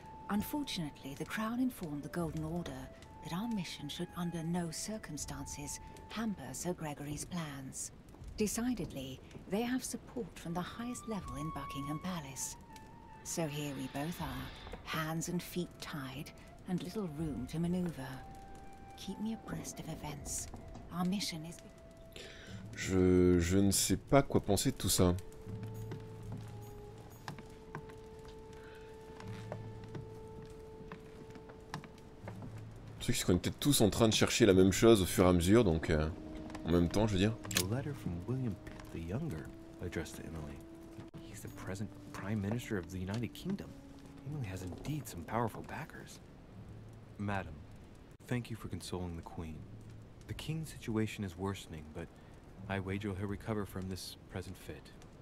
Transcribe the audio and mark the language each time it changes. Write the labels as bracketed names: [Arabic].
[English] Unfortunately, the Crown informed the Golden Order that our mission should under no circumstances hamper Sir Gregory's plans. Decidedly, they have support from the highest level in Buckingham Palace. So here we both are, hands and feet tied, and little room to maneuver. Keep me abreast of events. Our mission is... [French] Je ne sais pas quoi penser de tout ça. Le truc, c'est qu'on était tous en train de chercher la même chose au fur et à mesure, donc en même temps, je veux dire. [English] A letter from William Pitt the Younger, addressed to Emily. He's the present Prime Minister of the United Kingdom. Emily has indeed some powerful backers. Madam, thank you for consoling the Queen. The King's situation is worsening, but I wager he'll recover from this present fit.